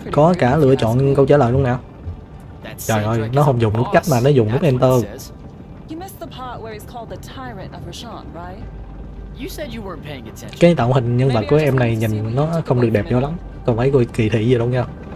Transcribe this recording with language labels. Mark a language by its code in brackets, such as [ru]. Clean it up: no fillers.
[vi] Có cả lựa chọn câu trả lời luôn nè. Trời ơi, nó không dùng nút cách mà nó dùng nút enter. [en] You missed the part where he's called the tyrant of Rashan, right? You said you weren't paying attention. [vi] Cái tạo hình nhân vật của em này nhìn nó không được đẹp cho lắm. Còn mấy người kỳ thị gì đâu nha.